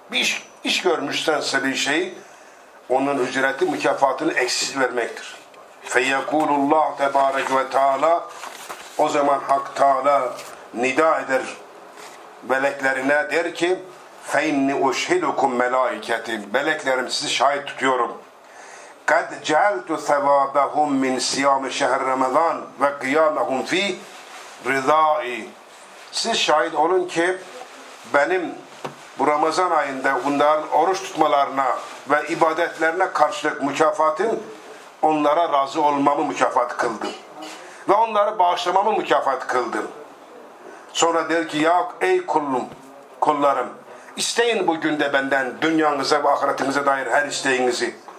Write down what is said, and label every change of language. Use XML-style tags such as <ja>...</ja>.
<tr>Bir iş görmüşsen senin şeyi, onun ücreti, mükafatını eksiz vermektir.</tr> <ar>فَيَقُولُ اللّٰهُ تَبَارَكُ وَتَعَالَى.</ar> <tr>O zaman Hak Teala nida eder meleklerine, der ki</tr> <ar>فَاِنِّ اُشْهِدُكُمْ مَلَائِكَةِ.</ar> <tr>Meleklerim, sizi şahit tutuyorum.</tr> <ar>قَدْ جَعَلْتُ ثَوَابَهُمْ مِنْ سِيَامِ شَهْرِ رَمَضَانِ وَقِيَامَهُمْ ف۪ي رِضَائِ.</ar> <tr>Siz şahit olun ki benim bu Ramazan ayında bunların oruç tutmalarına ve ibadetlerine karşılık mükafatın onlara razı olmamı mükafat kıldım. Ve onları bağışlamamı mükafat kıldım. Sonra der ki ya ey kullum, kullarım, isteyin bugün de benden dünyanıza ve ahiretinize dair her isteğinizi.</tr>